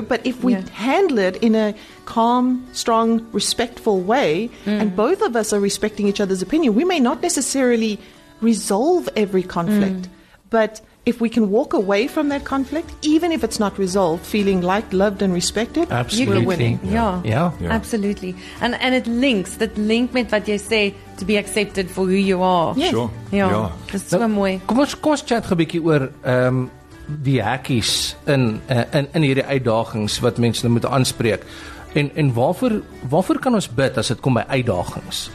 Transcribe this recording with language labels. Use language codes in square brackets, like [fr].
[en] But if we handle it in a calm, strong, respectful way, and both of us are respecting each other's opinion, we may not necessarily resolve every conflict. But if we can walk away from that conflict, even if it's not resolved, feeling liked, loved, and respected, absolutely. You're winning. Yeah. Absolutely. And it links, that link met what you say, to be accepted for who you are. Yes. Sure. Yeah. [af] Dis so mooi. Kom ons chat 'n bietjie oor die hekkies in hierdie uitdagings wat mense nou moet aanspreek. En waarvoor kan ons bid as dit kom by uitdagings?